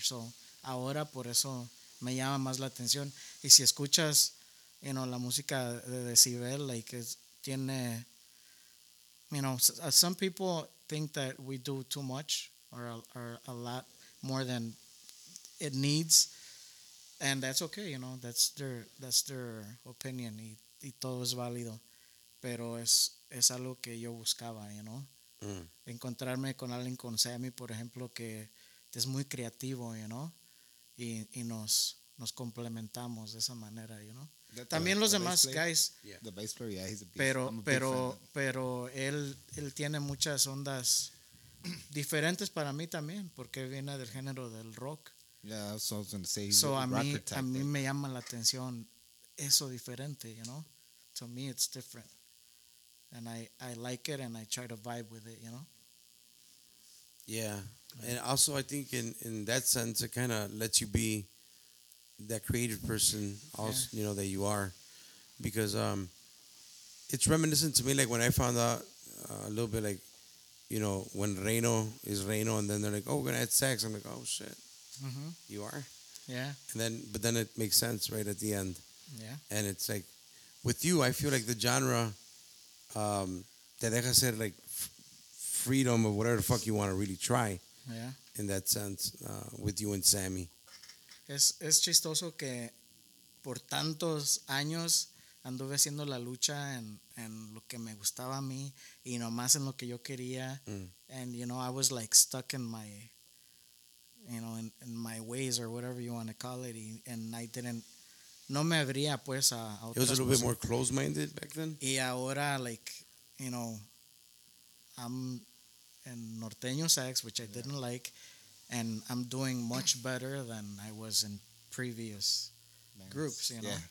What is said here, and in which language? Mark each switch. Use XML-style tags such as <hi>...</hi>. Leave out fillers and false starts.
<es>So ahora por eso me llama más la atención. Y si escuchas,</es> <en>you know,</en> <es>la música de Decibel,</es> <en>like, tiene, you know, some people think that we do too much or a lot more than it needs. And that's okay, you know, that's their opinion.</en> <es>Y todo es válido. Pero es algo que yo buscaba, you know. Encontrarme con alguien con Sammy, por ejemplo, que es muy creativo, you know. Y nos complementamos de esa manera, you know. También los demás guys.</es> <en>Yeah. The bass player, yeah, he's a beast.</en> <es>Pero él tiene muchas ondas diferentes para mí también, porque viene del género del rock.</es> <en>Yeah, that's what I was going to say.</en> <es>So a mí me llama la atención eso diferente, you know.</es> <en>To me, it's different. And I like it, and I try to vibe with it, you know. Yeah. And also, I think in that sense, it kind of lets you be that creative person, also, yeah, you know, that you are. Because it's reminiscent to me, like, when I found out a little bit, like, you know, when Reino is Reino, and then they're like, oh, we're going to add sex. I'm like, oh, shit. Mm-hmm. You are? Yeah. And then, but then it makes sense right at the end. Yeah. And it's like, with you, I feel like the genre,</en> <es>te deja ser,</es> <en>like, freedom of whatever the fuck you want to really try. Yeah. In that sense, with you and Sammy.</en> <es>Es chistoso que por tantos años anduve haciendo la lucha en lo que me gustaba a mí y nomás en lo que yo quería. Mm.</es> <en>And, you know, I was, like, stuck in my, you know, in my ways or whatever you want to call it. And I didn't,</en> <es>no me abría, pues, a otras</es> <en>cosas. It was a little bit more close-minded back then.</en> <es>Y ahora,</es> <en>like, you know, I'm in Norteño Sax, which I didn't like, and I'm doing much better than I was in previous groups, you know.</en>